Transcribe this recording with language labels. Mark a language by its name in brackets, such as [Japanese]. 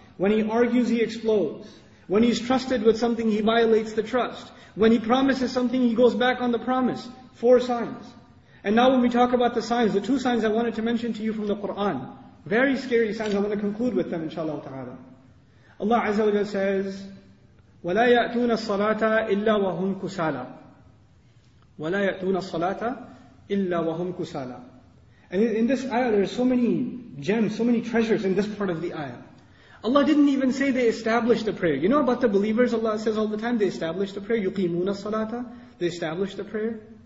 [English] When he argues, he explodes. When he's trusted with something, he violates the trust. When he promises something, he goes back on the promise. Four signs. And now when we talk about the signs, the two signs I wanted to mention to you from the Qur'an. Very scary signs, I'm going to conclude with them, inshallah ta'ala. [Arabic] Allah Azza wa Jalla [English] says, [Arabic] وَلَا يَأْتُونَ الصَّلَاةَ إِلَّا وَهُمْ كُسَالَى. وَلَا يَأْتُونَ الصَّلَاةَ إِلَّا وَهُمْ كُسَالَى. [English] And in this ayah, there are so many gems, so many treasures in this part of the ayah. Allah didn't even say they established the prayer. You know about the believers, Allah says all the time, they established the prayer. [Arabic] يُقِيمُونَ الصَّلَاةَ. [English] They established the prayer.